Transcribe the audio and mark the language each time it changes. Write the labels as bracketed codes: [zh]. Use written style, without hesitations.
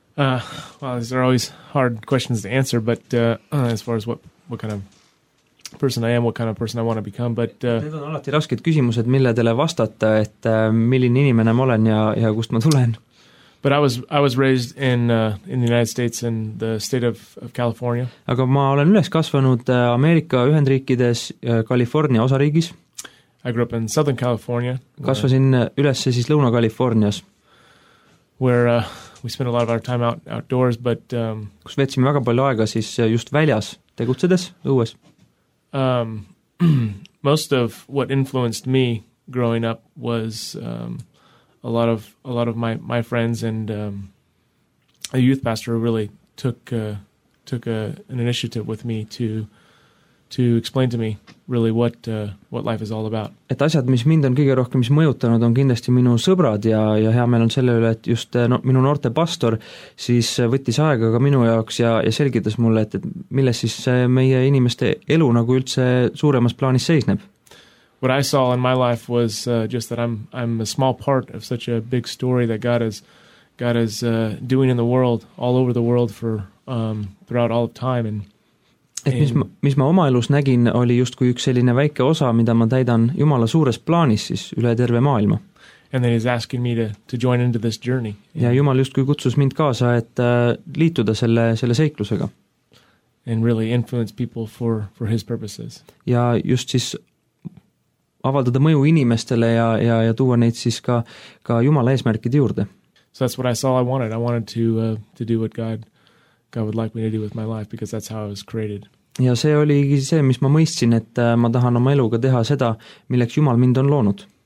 [en] Well, these are always hard questions to answer, but as far as what kind of person I am, what kind of person I want to become, but [et] need on alati rasked küsimused, mille teile vastata, et milline inimene ma olen ja kust ma tulen. [en] But I was raised in the United States in the state of California. [et] Aga ma olen üles kasvanud Ameerika Ühendriikides California osariigis. [en] I grew up in Southern California. [et] Kasvasin ülesse siis Lõuna-Kalifornias. [en] Where we spent a lot of our time outdoors, but [et] kus veetsime väga palju aega siis just väljas tegutsedes õues. [en] Most of what influenced me growing up was a lot of my friends and a youth pastor really took an initiative with me to explain to me really what life is all about. [et] Et asjad, mis mind on kõige rohkem mis mõjutanud, on kindlasti minu sõbrad ja hea meel on selle üle, et just minu noorte pastor siis võttis aega ka minu jaoks ja selgitas mulle, et milles siis meie inimeste elu nagu üldse suuremas plaanis seisneb. [en] What I saw in my life was just that I'm a small part of such a big story that God is doing in the world, all over the world for throughout all of time. [et] Mis ma oma elus nägin, oli just kui üks selline väike osa, mida ma täidan Jumala suures plaanis siis üle terve maailma. [en] And then he's asking me to join into this journey. [et] Ja Jumal just kui kutsus mind kaasa, et liituda selle seiklusega. [en] And really influence people for his purposes. [et] Ja just siis avaldada mõju inimestele ja tuua neid siis ka Jumala eesmärkide juurde. [en] So that's what I saw I wanted to do what God would like me to do with my life, because that's how I was created. [et] Ja see oli see, mis ma mõistsin, et ma tahan oma eluga teha seda, milleks Jumal mind on loonud.